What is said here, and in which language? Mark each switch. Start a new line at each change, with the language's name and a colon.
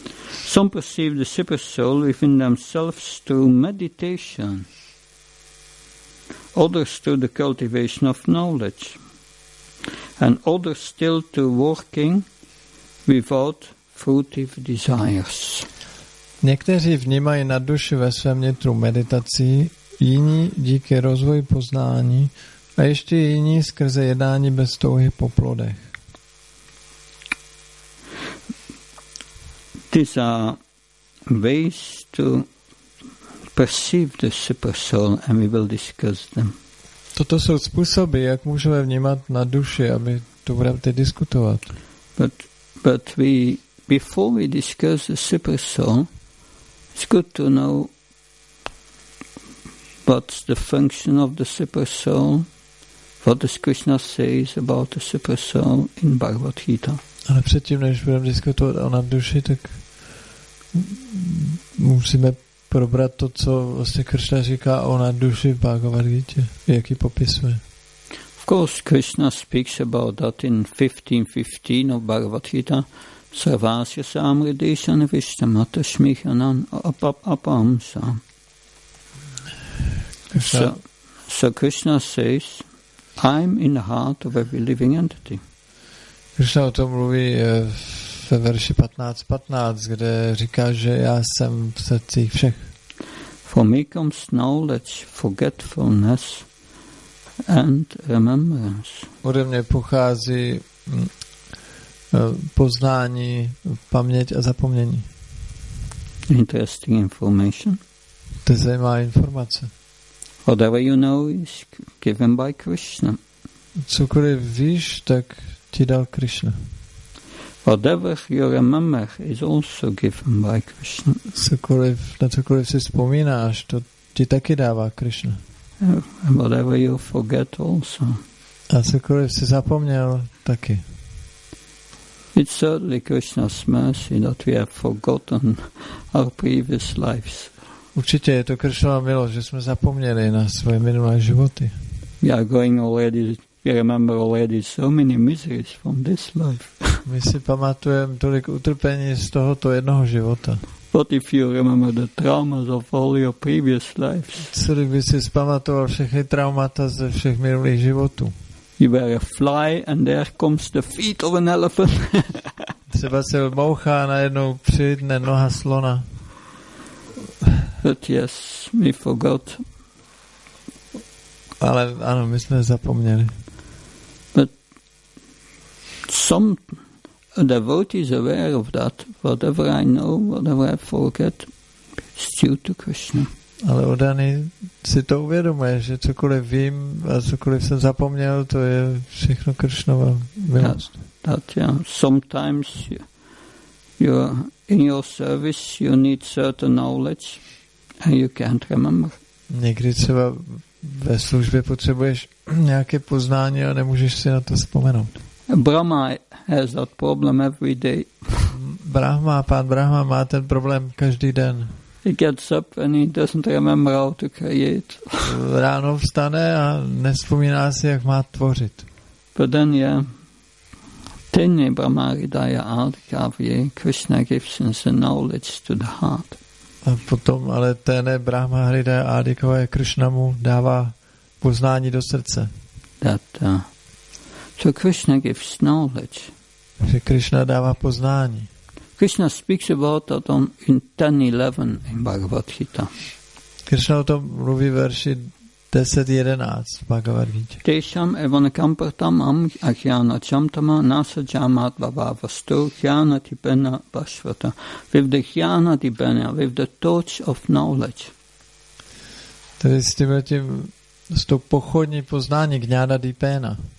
English: Some perceive the super soul within themselves through meditation. others to the cultivation of knowledge, and others still to working without fruitive desires.
Czech: Někteří vnímají na duši ve svém nitru meditací, jiní díky rozvoji poznání a ještě jiní skrze jednání bez touhy po plodech.
English: These are ways to perceive the super soul, and we will discuss them.
Czech: Toto jsou způsoby, jak můžeme vnímat na duši, aby to budeme diskutovat.
English: But we, before we discuss the super soul, it's good to know what's the function of the super soul, what does Krishna says about the super soul in Bhagavad Gita.
Czech: Ale předtím, než budeme diskutovat o naduši, tak musíme probrat to, co vlastně Krishna říká o naduši v Bhagavad Gita, jak ji popisuje.
English: Of course, Krishna speaks about that in 15.15 of Bhagavad Gita.
Sanskrit: Sarvasya samridesha nivishta matashmihanan apamsa.
English: So Krishna says, I'm in the heart of every living entity.
Czech: Krishna o tom mluví ve verši 15.15, kde říká, že já jsem v srdcích všech.
English: For me comes knowledge, forgetfulness and remembrance.
Czech: Ode mě pochází poznání, paměť a zapomnění.
English: Interesting information.
Czech: To je zajímavá informace.
English: Whatever you know is given by Krishna.
Czech: Cokoliv víš, tak ti dal Krishna.
English: Whatever you remember is also given by Krishna.
Czech: Cokoliv, na cokoliv si vzpomínáš, to ti taky dává Krishna.
English: And whatever you forget also.
Czech: A cokoliv si zapomněl, taky.
English: It's certainly Krishna's mercy that we have forgotten our previous lives.
Czech: Určitě je to Krishnova milost, že jsme zapomněli na svoje minulé životy.
English: We are going already, we remember already so many miseries from this life.
Czech: My si pamatujeme tolik utrpení z tohoto jednoho života.
English: What if you remember the traumas of all your previous lives?
Czech: Co kdyby si pamatoval všechny traumata ze všech minulých životů?
English: You were a fly and there comes the feet of an elephant.
Czech: Třeba se moucha a najednou přijde noha slona.
English: But yes, we forgot.
Czech: Ale ano, my jsme zapomněli.
English: But some devotees aware of that, whatever I know, whatever I forget, it's due to Krishna.
Czech: Ale oddaný si to uvědomuje, že cokoliv vím a cokoliv jsem zapomněl, to je všechno Krishnova milost.
English: That, yeah. Sometimes you in your service you need certain knowledge and you can't remember.
Czech: Někdy třeba ve službě potřebuješ nějaké poznání a nemůžeš si na to vzpomenout.
English: Brahma has that problem every day.
Czech: Brahma, pán Brahma má ten problém každý den.
English: He gets up and he doesn't remember how to create.
Czech: Ráno vstane a nespomíná si, jak má tvořit.
English: But then, yeah,
Sanskrit: tene brahmaridaya adhikavye,
English: Krishna gives us the knowledge to the heart.
Czech: A potom, ale
Sanskrit: tene brahmaridaya adhikavye,
Czech: Krishna mu dává poznání do srdce.
English: That, so Krishna gives knowledge.
Czech: Že Krishna dává poznání.
English: Krishna speaks about that in 10.11 in Bhagavad Gita.
Czech: Krishna o tom mluví verši 10.11 v Bhagavad Gita.
Sanskrit: Tesham evana kampartam am achyana chamtama nasa jamat bhavavastu chyana tipena bhashvata.
English: With the chyana tipena, with the torch of knowledge.
Czech: Tedy s tím s to pochodní poznání gňána dipena.